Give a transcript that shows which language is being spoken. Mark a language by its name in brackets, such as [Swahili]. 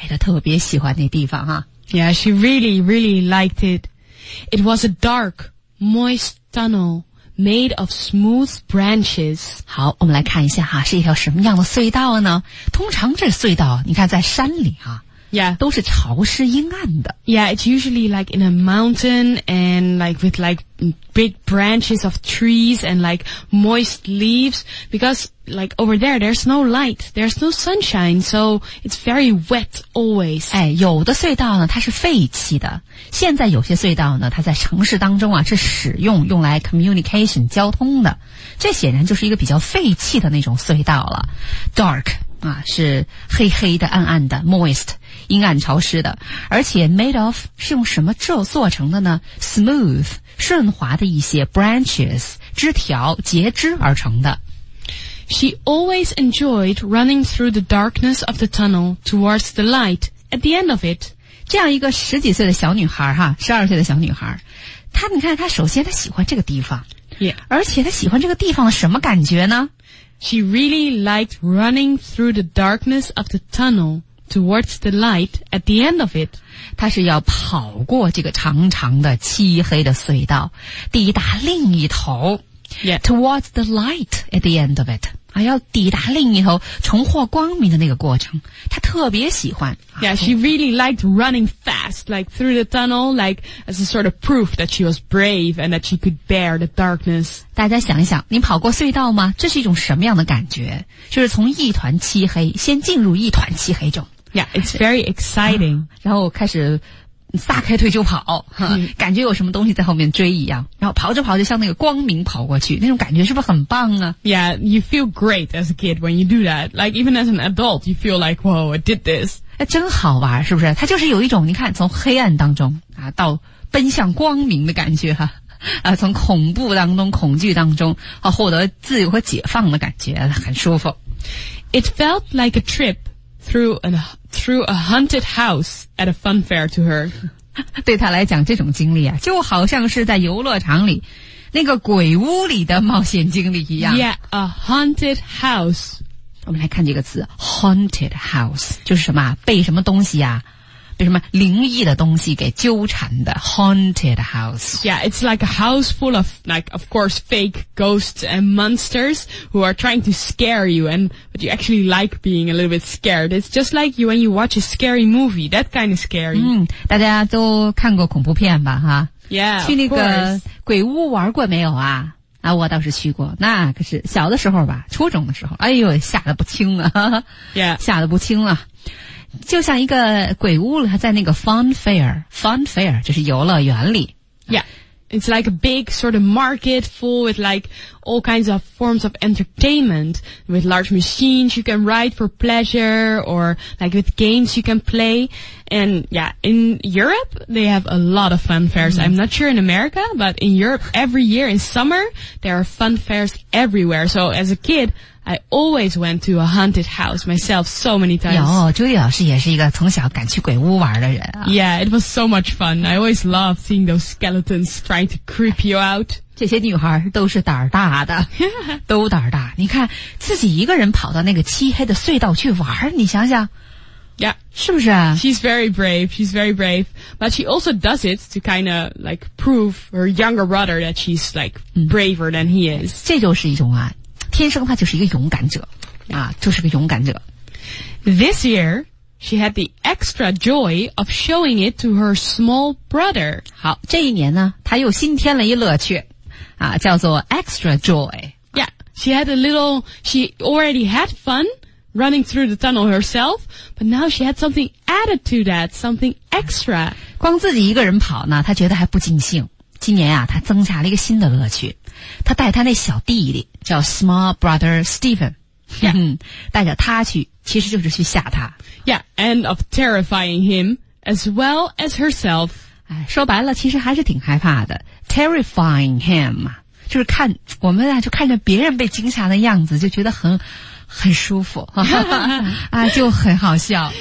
[Chinese] 哎，她特别喜欢那地方啊。 [English] Yeah, she really, really liked it. It was a dark, moist tunnel made of smooth branches. [Chinese] 好，我们来看一下哈，是一条什么样的隧道呢？通常这隧道，你看在山里啊。 [English] Yeah. [Chinese] 都是潮湿阴暗的。 [English] Yeah, it's usually like in a mountain and like with like big branches of trees and like moist leaves because like over there, there's no light, there's no sunshine, so it's very wet always. [Chinese] 哎，有的隧道呢，它是废弃的。现在有些隧道呢，它在城市当中啊，是使用，用来 communication, 交通的。这显然就是一个比较废弃的那种隧道了。 Dark, 啊，是黑黑的，暗暗的 ,moist。阴暗潮湿的，而且 [English] made of [Chinese] 是用什么做成的呢 ?smooth, 顺滑的一些 branches, 枝条截枝而成的。 [English] She always enjoyed running through the darkness of the tunnel towards the light at the end of it. [Chinese] 这样一个十几岁的小女孩哈，十二岁的小女孩，她你看她首先她喜欢这个地方、 [English] yeah. [Chinese] 而且她喜欢这个地方的什么感觉呢 [English] ?She really liked running through the darkness of the tunnel. Towards the light at the end of it. [Chinese] 他是要跑过这个长长的漆黑的隧道抵达另一头、 [English] yeah. Towards the light at the end of it. [Chinese] 啊，要抵达另一头，重获光明的那个过程，她特别喜欢。 [English] Yeah, she really liked running fast, like through the tunnel, like as a sort of proof that she was brave and that she could bear the darkness. [Chinese] 大家想一想，你跑过隧道吗？这是一种什么样的感觉？就是从一团漆黑，先进入一团漆黑中。 [English] Yeah, it's very exciting. [Chinese] 然后开始撒开腿就跑，感觉有什么东西在后面追一样，然后跑着跑着向那个光明跑过去，那种感觉是不是很棒啊？ [English] Yeah, you feel great as a kid when you do that. Like even as an adult, you feel like, whoa, I did this. [Chinese] 真好玩，是不是？它就是有一种你看从黑暗当中啊到奔向光明的感觉哈、啊，从恐怖当中、恐惧当中啊获得自由和解放的感觉，很舒服。 [English] It felt like a trip. Through a haunted house at a fun fair to her. [Chinese] 对她来讲这种经历啊就好像是在游乐场里那个鬼屋里的冒险经历一样。 [English] Yeah, a haunted house. [Chinese] 我们来看这个词 ,haunted house, 就是什么被什么东西啊被什么灵异的东西给纠缠的 ,haunted house. [English] Yeah, it's like a house full of, like, of course, fake ghosts and monsters who are trying to scare you, and, but you actually like being a little bit scared. It's just like you when you watch a scary movie, that kind of scary. [Chinese] 大家都看过恐怖片吧哈。 [English] Yeah, [Chinese] 去那个鬼屋玩过没有啊啊我倒是去过那可是小的时候吧初中的时候哎呦吓得不轻啊。 [English] Yeah. [Chinese] 吓得不轻啊。就像一个鬼屋在那个 fun fair 就是游乐园里 [English] Yeah, it's like a big sort of market full with like all kinds of forms of entertainment with large machines you can ride for pleasure or like with games you can play and yeah, in Europe they have a lot of fun fairs、I'm not sure in America but in Europe every year in summer there are fun fairs everywhere so as a kidI always went to a haunted house myself so many times. [Chinese] 有，朱莉老师也是一个从小敢去鬼屋玩的人啊。 [English] Yeah, it was so much fun. I always loved seeing those skeletons trying to creep you out. [Chinese] 这些女孩都是胆儿大的，都胆儿大。你看，自己一个人跑到那个漆黑的隧道去玩，你想想。 [English] Yeah. [Chinese] 是不是啊? [English] She's very brave. She's very brave. But she also does it to kind of like prove her younger brother that she's like braver than he is. [Chinese] 这就是一种啊。天生他就是一个勇敢者啊，就是个勇敢者。 [English] This year, she had the extra joy of showing it to her small brother. [Chinese] 好，这一年呢，她又新添了一乐趣啊，叫做 [English] extra joy. Yeah, she had a little, she already had fun running through the tunnel herself, but now she had something added to that, something extra. [Chinese] 光自己一个人跑呢，她觉得还不尽兴。今年啊，她增加了一个新的乐趣。他带他那小弟弟叫 [English] small brother [Chinese] Stephen、 [English] yeah. [Chinese] 带着他去其实就是去吓他 [English] Yeah, and of terrifying him as well as herself [Chinese] 说白了其实还是挺害怕的 [English] terrifying him [Chinese] 就是看我们啊，就看着别人被惊吓的样子就觉得很舒服啊，就很好笑